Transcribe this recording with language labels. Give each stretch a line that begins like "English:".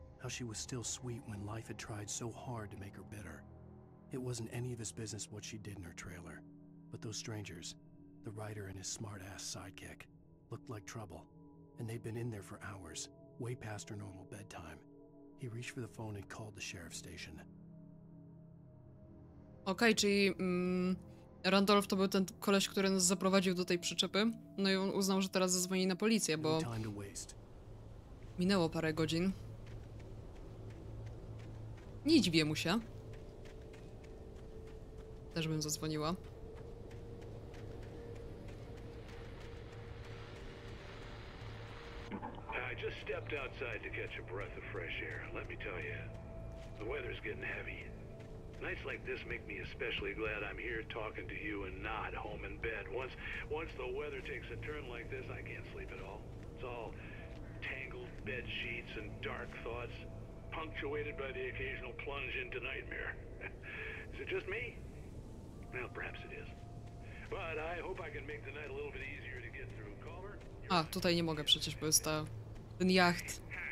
English: How she was still sweet when life had tried so hard to make her bitter. It wasn't any of his business what she did in her trailer. But those strangers, the writer and his smart-ass sidekick, looked like trouble. And they'd been in there for hours, way past her normal bedtime. He reached for the phone and called the sheriff's station.
Polish: Okej, czyli Randolph to był ten koleś, który nas zaprowadził do tej przyczepy. No i on uznał, że teraz zadzwoni na policję, bo minęło parę godzin. Nie dziwię mu się. Też bym zadzwoniła.
English: I just stepped outside to catch a breath of fresh air. Let me tell you, the weather's getting heavy. Nights like this make me especially glad I'm here talking to you and not home in bed. Once the weather takes a turn like this, I can't sleep at all. It's all tangled bed sheets and dark thoughts, punctuated by the occasional plunge into nightmare. Is it just me? Well, perhaps it is. But I hope I can make the night a little bit easier to get through. Caller?
Polish: A, tutaj nie mogę przecież, bo jest to ten jacht.